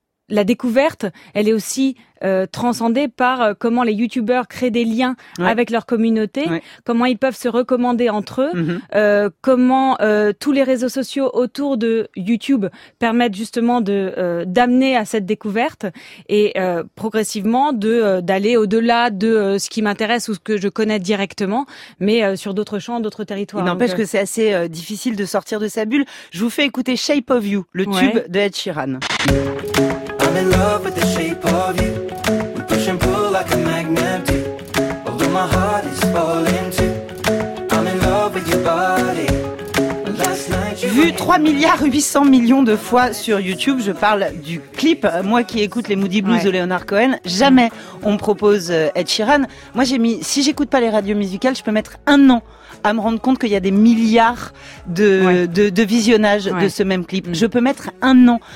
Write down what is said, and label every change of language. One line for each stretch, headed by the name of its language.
French: La découverte, elle est aussi transcendée par comment les youtubeurs créent des liens avec leur communauté, comment ils peuvent se recommander entre eux, comment tous les réseaux sociaux autour de YouTube permettent justement de d'amener à cette découverte et progressivement de d'aller au-delà de ce qui m'intéresse ou ce que je connais directement, mais sur d'autres champs, d'autres territoires. Il n'empêche que c'est assez difficile de sortir de sa bulle. Je vous fais écouter Shape of You, le tube de Ed Sheeran.
English: I'm in love with the shape of you. We push and pull like a magnet do. Although my heart is falling too. I'm in love with your body.
French: Vu 3 milliards 800 millions de fois sur YouTube, je parle du clip. Moi qui écoute les Moody Blues de Leonard Cohen, jamais on me propose Ed Sheeran. Moi j'ai mis, si j'écoute pas les radios musicales, je peux mettre un an à me rendre compte qu'il y a des milliards de visionnages de ce même clip. Je peux mettre un an.